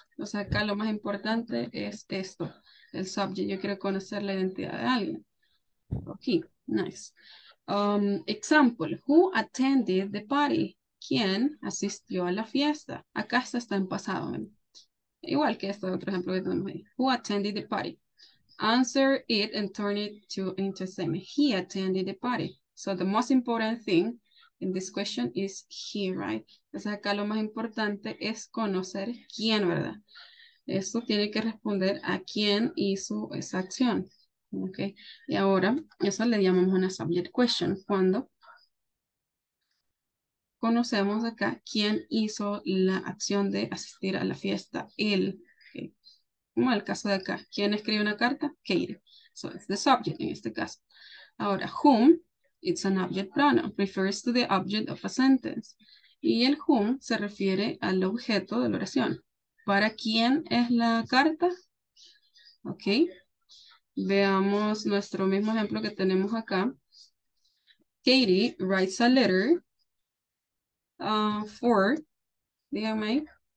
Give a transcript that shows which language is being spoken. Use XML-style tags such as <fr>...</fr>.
<es>O sea, acá lo más importante es esto. El subject. Yo quiero conocer la identidad de alguien.</es> <en>Ok. Nice. Example. Who attended the party?</en> <es>¿Quién asistió a la fiesta? Acá se está en pasado. Igual que este otro ejemplo que tenemos ahí.</es> <en>Who attended the party? Answer it and turn it to into a statement. He attended the party. So the most important thing in this question is he, right?</en> <es>Entonces acá lo más importante es conocer quién, ¿verdad? Esto tiene que responder a quién hizo esa acción. Ok. Y ahora, eso le llamamos una subject question. Cuando conocemos acá quién hizo la acción de asistir a la fiesta, él. Okay. como el caso de acá. ¿Quién escribe una carta? Keira.</es> <en>So it's the subject</en> <es>in este caso.</es> <en>Ahora, whom, it's an object pronoun, refers to the object of a sentence.</en> <es>Y el whom se refiere al objeto de la oración. ¿Para quién es la carta? Ok. Veamos nuestro mismo ejemplo que tenemos acá.</es> <en>Katie writes a letter for,</en> <es>dígame.</es>